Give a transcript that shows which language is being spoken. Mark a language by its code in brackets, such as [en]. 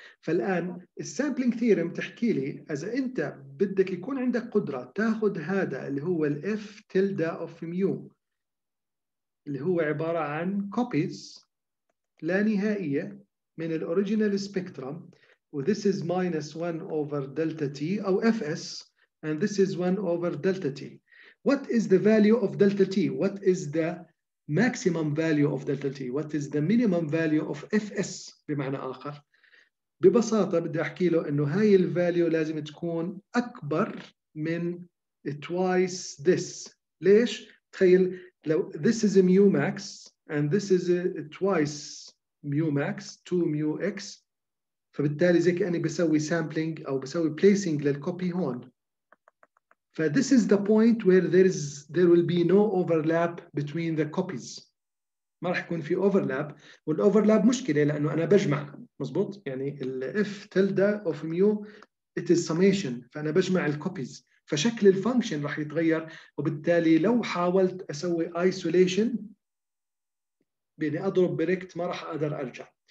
[ar] فالآن السامبلينج ثيرم تحكي لي إذا أنت بدك يكون عندك قدرة تأخذ هذا اللي هو ال F tilde of mu اللي هو عبارة عن copies لا نهائية من ال original spectrum، [en] this is minus 1 over delta t [ar] أو fs and this is 1 over delta t. [en] What is the value of delta t? What is the maximum value of delta t? What is the minimum value of fs [ar] بمعنى آخر؟ ببساطة بدي أحكي له أنه هاي الفاليو لازم تكون أكبر من twice this. ليش؟ تخيل لو [en] this is a mu max [ar] and this is a twice mu max 2 mu x، فبالتالي زي كأني بسوي sampling أو بسوي placing للcopy هون. [en] ف this is the point where there will be no overlap between the copies. [ar] ما رح يكون في overlap، والoverlap مشكلة لأنه أنا بجمع، مزبوط؟ يعني ال f tilde of mu [en] it is summation، [ar] فأنا بجمع الcopies، فشكل الfunction رح يتغير، وبالتالي لو حاولت أسوي isolation بإني أضرب بريكت ما رح أقدر أرجع.